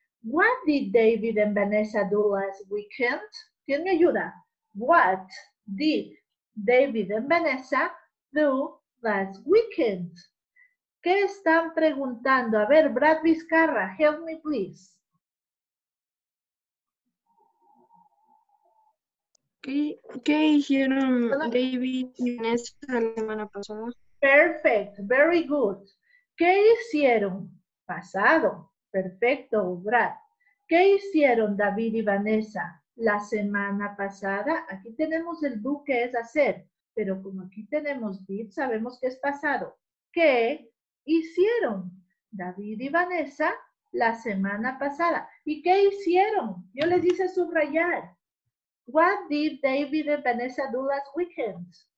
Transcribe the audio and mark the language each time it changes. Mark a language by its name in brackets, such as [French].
[English] What did David and Vanessa do last weekend? [Spanish] ¿Quién me ayuda? [English] What did David and Vanessa do last weekend? [Spanish] ¿Qué están preguntando? A ver, Brad Vizcarra, [English] help me please. [Spanish] ¿Qué hicieron David y Vanessa la semana pasada? Perfecto, [English] very good. [Spanish] ¿Qué hicieron? Pasado, perfecto, Brad. ¿Qué hicieron David y Vanessa la semana pasada? Aquí tenemos el do que es hacer, pero como aquí tenemos did, sabemos que es pasado. ¿Qué hicieron David y Vanessa la semana pasada? ¿Y qué hicieron? Yo les hice subrayar. [English] What did David and Vanessa do last weekend?